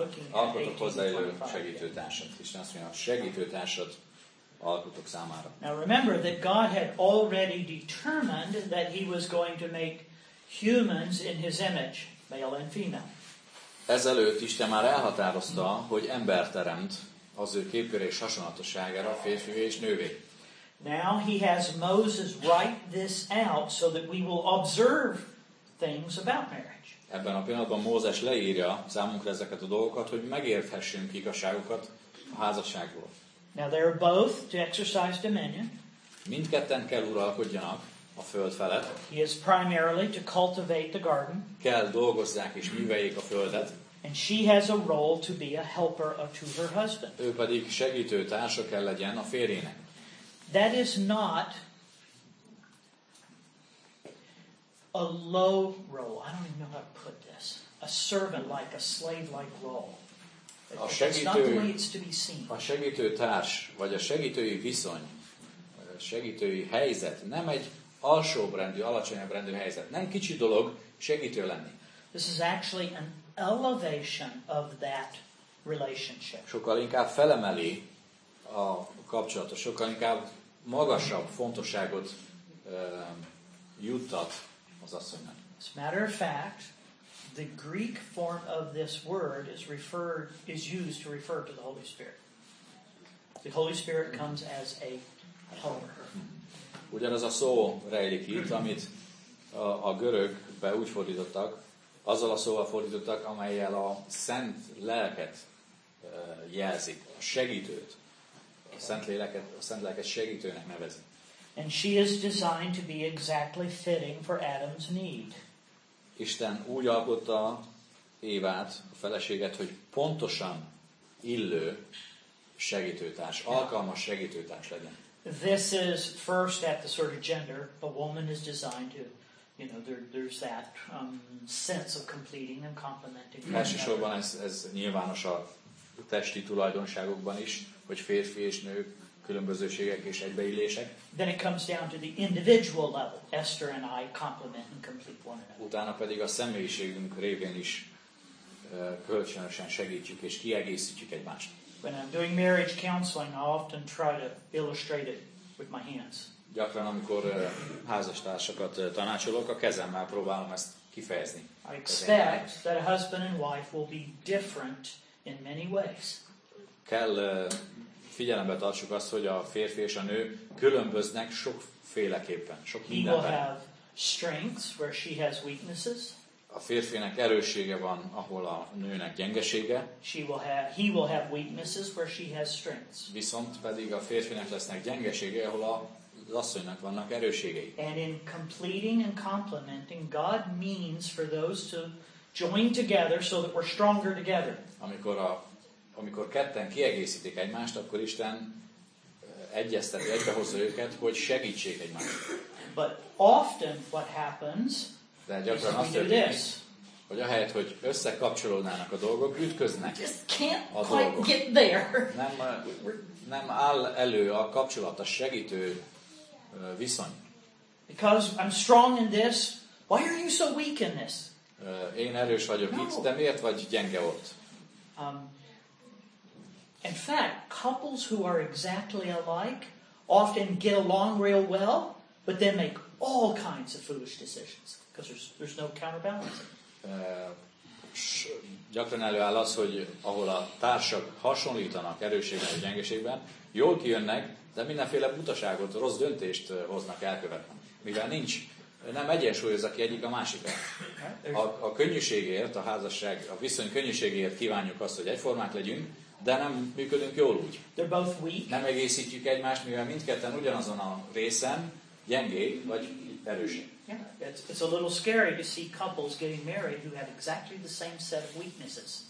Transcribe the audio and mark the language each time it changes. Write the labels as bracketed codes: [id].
[hu] Alkotok hozzá egy segítőtársat. Isten azt mondja, segítőtársat alkotok számára. [en] Now remember that God had already determined that he was going to make humans in his image, male and female. [hu] Ezelőtt Isten már elhatározta, hogy ember teremt az ő képére és hasonlatosságára, férfivé és nővé. [en] Now he has Moses write this out so that we will observe things about marriage. [hu] Ebben a pillanatban Mózes leírja számunkra ezeket a dolgokat, hogy megérthessünk igazságokat a házasságról. [en] Now they are both to exercise dominion. [hu] Mindketten kell uralkodjanak a föld felett. [en] He is primarily to cultivate the garden. [hu] Kell dolgozzák és műveljék a földet. [en] And she has a role to be a helper of to her husband. [hu] Ő pedig segítő társa kell legyen a férjének. [en] That is not a low role. I don't even know how to put this. A servant like a slave like role. [hu] A segítő, [en] it's not the way it's to be seen. [hu] A segítő társ vagy a segítői viszony, vagy a segítői helyzet nem egy alsóbb rendű, alacsonyabb rendű helyzet. Nem kicsi dolog segítő lenni. [en] This is actually an elevation of that relationship. [hu] Sokkal inkább felemeli a kapcsolatot, sokkal inkább magasabb fontosságot juttat az asszonynak. [en] As a matter of fact, the Greek form of this word is used to refer to the Holy Spirit. The Holy Spirit comes as a helper. [hu] Ugyanaz a szó rejlik itt, amit a görögbe úgy fordítottak, azzal a szóval fordítottak, amellyel a szent lelket jelzik, a segítőt. A szent léleket, a szent lelket segítőnek nevezi. [en] And she is designed to be exactly fitting for Adam's need. [hu] Isten úgy alkotta Évát, a feleséget, hogy pontosan illő segítőtárs, alkalmas segítőtárs legyen. [en] This is first at the sort of gender. A woman is designed to, you know, there's that sense of completing and complementing. [hu] Elsősorban ez nyilvános a testi tulajdonságokban is, hogy férfi és nő különbözőségek és egybeillések. [en] Then it comes down to the individual level. Esther and I complement and complete one another. [hu] Utána pedig a személyiségünk révén is kölcsönösen segítjük és kiegészítjük egymást. [en] When I'm doing marriage counseling, I often try to illustrate it with my hands. [hu] Gyakran, amikor házastársakat tanácsolok, a kezemmel próbálom ezt kifejezni. [en] I expect that a husband and wife will be different in many ways. [hu] Kell figyelembe tartsuk azt, hogy a férfi és a nő különböznek sokféleképpen, sok mindenben. [en] He will have strengths where she has weaknesses. [hu] A férfinek erőssége van, ahol a nőnek gyengesége. [en] He will have weaknesses where she has strengths. [hu] Viszont pedig a férfinek lesznek gyengesége, ahol az asszonynak vannak erősségei. [en] And in completing and complementing, God means for those to join together so that we're stronger together. [hu] Amikor ketten kiegészítik egymást, akkor Isten egyezteti, egybehozza őket, hogy segítsék egymást. [en] But often what happens, [hu] de gyakran azt történik, hogy ahelyett, hogy összekapcsolódnának a dolgok, ütköznek a dolgok. [en] Get there. [hu] Nem áll elő a kapcsolat, a segítő viszony. [en] Because I'm strong in this, why are you so weak in this? [hu] Én erős vagyok itt, de miért vagy gyenge ott? [en] In fact, couples who are exactly alike often get along real well, but then make all kinds of foolish decisions. Because there's no counterbalance. [hu] Gyakran előáll az, hogy ahol a társak hasonlítanak erősségben és gyengeségben, jól kijönnek, de mindenféle butaságot, rossz döntést hoznak elkövetni. Mivel nincs, nem egyensúlyozza ki egyik a másikat. A könnyűségért, a házasság, a viszony könnyűségért kívánjuk azt, hogy egyformák legyünk, de nem működünk jól úgy. [en] They're both weak. [hu] Nem egészítjük egymást, mivel mindketten ugyanazon a részen gyengék vagy erősek. [en] Yeah, it's a little scary to see couples getting married who have exactly the same set of weaknesses.